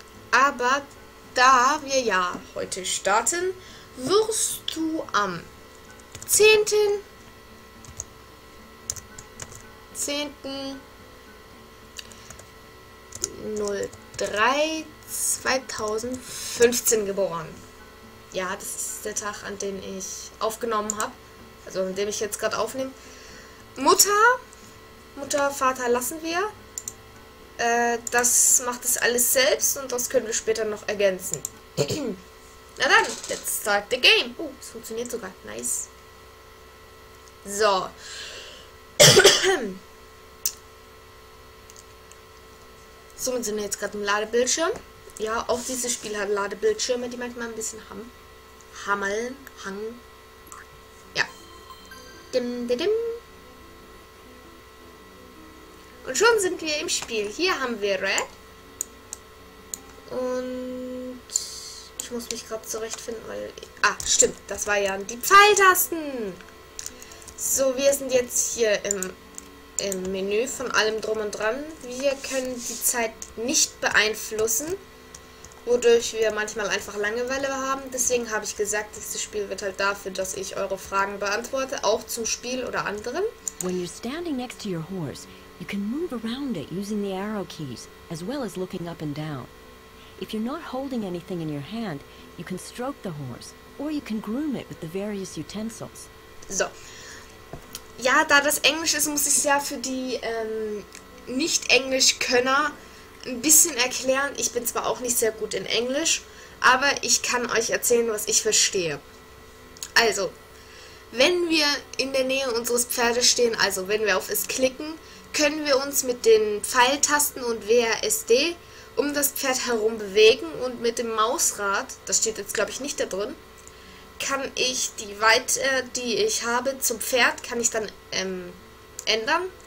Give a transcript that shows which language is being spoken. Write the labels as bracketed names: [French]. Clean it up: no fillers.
[German] Aber da wir ja heute starten, wirst du am 10.03.2015 geboren. Ja, das ist der Tag, an dem ich aufgenommen habe. Also an dem ich jetzt gerade aufnehme. Mutter, Vater lassen wir. Das macht es alles selbst und das können wir später noch ergänzen. Na dann, [English] let's start the game. [German] Es funktioniert sogar. Nice. So. Somit sind wir jetzt gerade im Ladebildschirm. Ja, auch dieses Spiel hat Ladebildschirme, die manchmal ein bisschen hangen. Ja. Dim. Und schon sind wir im Spiel. Hier haben wir Red. Und ich muss mich gerade zurechtfinden, weil... stimmt. Das war ja die Pfeiltasten. So, wir sind jetzt hier im Menü von allem drum und dran. Wir können die Zeit nicht beeinflussen. wodurch wir manchmal einfach Langeweile haben. Deswegen habe ich gesagt, dieses Spiel wird halt dafür, dass ich eure Fragen beantworte, auch zum Spiel oder anderen. [English] When you're standing next to your horse, you can move around it using the arrow keys, as well as looking up and down. If you're not holding anything in your hand, you can stroke the horse, or you can groom it with the various utensils. [German] So. Ja, da das Englisch ist, muss ich es ja für die Nicht-Englisch-Könner ein bisschen erklären. Ich bin zwar auch nicht sehr gut in Englisch, aber ich kann euch erzählen, was ich verstehe. Also, wenn wir in der Nähe unseres Pferdes stehen, also wenn wir auf es klicken, können wir uns mit den Pfeiltasten und WASD um das Pferd herum bewegen und mit dem Mausrad, das steht jetzt glaube ich nicht da drin, kann ich die Weite, die ich habe zum Pferd, kann ich dann ändern.